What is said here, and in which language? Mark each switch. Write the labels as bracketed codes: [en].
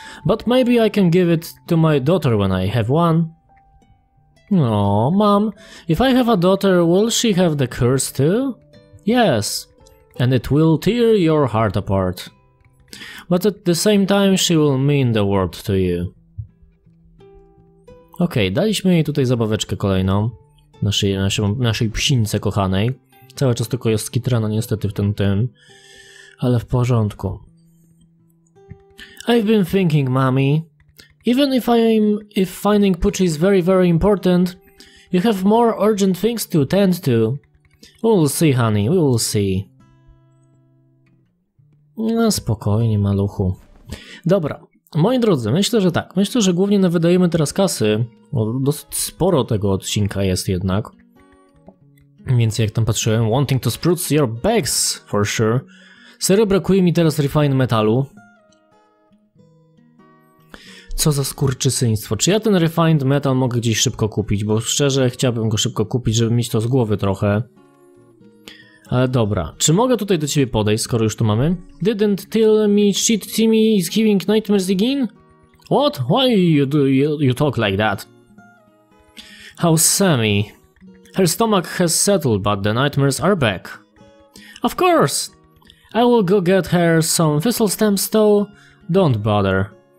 [en] But maybe I can give it to my daughter when I have one. Aww, mom, if I have a daughter, will she have the curse too? Yes, and it will tear your heart apart. But at the same time, she will mean the world to you. [pl] Okej, okay, daliśmy jej tutaj zabaweczkę kolejną. Naszej psince kochanej. Cały czas tylko jest skitrana niestety w tym. Ale w porządku. [en] I've been thinking, mommy. Even if finding Pucci is very, very important, you have more urgent things to tend to. We'll see, honey, we'll see. [pl] No spokojnie, maluchu. Dobra, moi drodzy, myślę, że tak. Myślę, że głównie wydajemy teraz kasy, bo dosyć sporo tego odcinka jest jednak. Więc jak tam patrzyłem, [en] wanting to spruce your bags, for sure. [pl] Serio, brakuje mi teraz refine metalu. Co za skurczysyństwo. Czy ja ten refined metal mogę gdzieś szybko kupić? Bo szczerze chciałbym go szybko kupić, żeby mieć to z głowy trochę. Ale dobra. Czy mogę tutaj do ciebie podejść, skoro już tu mamy? [en] Didn't tell me shit Timmy is giving nightmares again? What? Why you talk like that? How's Sammy? Her stomach has settled, but the nightmares are back. Of course! I will go get her some thistle stems though. Don't bother.